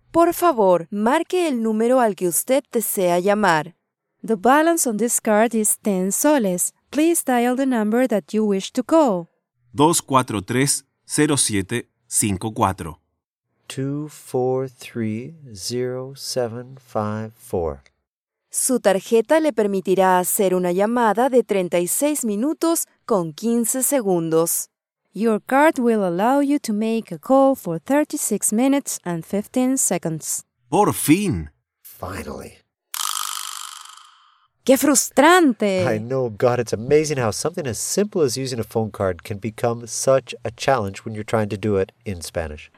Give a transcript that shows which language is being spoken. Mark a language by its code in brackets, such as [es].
[es] Por favor, marque el número al que usted desea llamar. [en] The balance on this card is 10 soles. Please dial the number that you wish to call. 243-0754. 2430754. [es] Su tarjeta le permitirá hacer una llamada de 36 minutos con 15 segundos. [en] Your card will allow you to make a call for 36 minutes and 15 seconds. [es] Por fin. [en] Finally. [es] ¡Qué frustrante! [en] I know, God, it's amazing how something as simple as using a phone card can become such a challenge when you're trying to do it in Spanish.